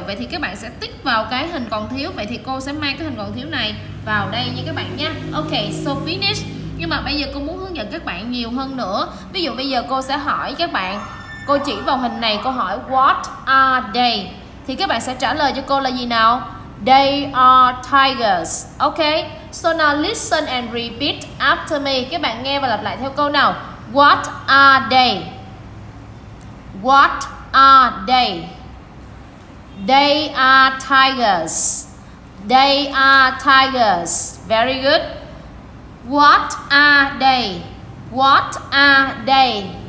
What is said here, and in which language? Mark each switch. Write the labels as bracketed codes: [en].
[vi] Vậy thì các bạn sẽ tích vào cái hình còn thiếu. Vậy thì cô sẽ mang cái hình còn thiếu này vào đây nha các bạn nha. [en] Okay, so finish. [vi] Nhưng mà bây giờ cô muốn hướng dẫn các bạn nhiều hơn nữa. Ví dụ bây giờ cô sẽ hỏi các bạn, cô chỉ vào hình này, cô hỏi [en] what are they? [vi] thì các bạn sẽ trả lời cho cô là gì nào? [en] They are tigers. Ok, so now listen and repeat after me. [vi] Các bạn nghe và lặp lại theo câu nào. [en] What are they? What are they? They are tigers. They are tigers. Very good. What are they? What are they?